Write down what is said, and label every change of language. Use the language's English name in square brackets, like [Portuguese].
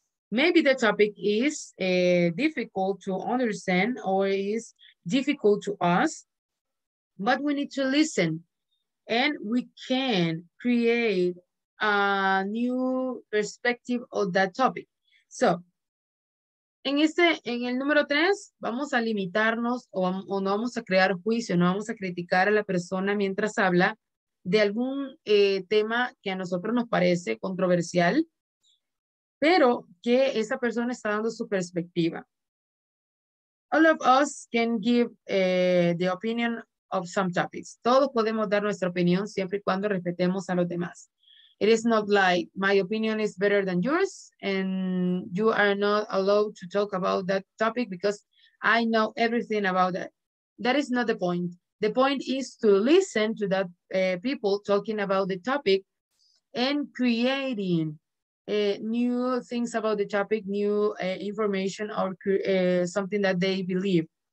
[English] Maybe the topic is difficult to understand or is difficult to us, but we need to listen and we can create a new perspective of that topic. [Spanish] So, en el número tres, vamos a limitarnos o no vamos a crear juicio, no vamos a criticar a la persona mientras habla de algún tema que a nosotros nos parece controversial, pero que esa persona está dando su perspectiva. [English] All of us can give the opinion of some topics. [Spanish] Todos podemos dar nuestra opinión siempre y cuando respetemos a los demás. [English] It is not like my opinion is better than yours and you are not allowed to talk about that topic because I know everything about that. That is not the point. The point is to listen to that people talking about the topic and creating new things about the topic, new information or something that they believe.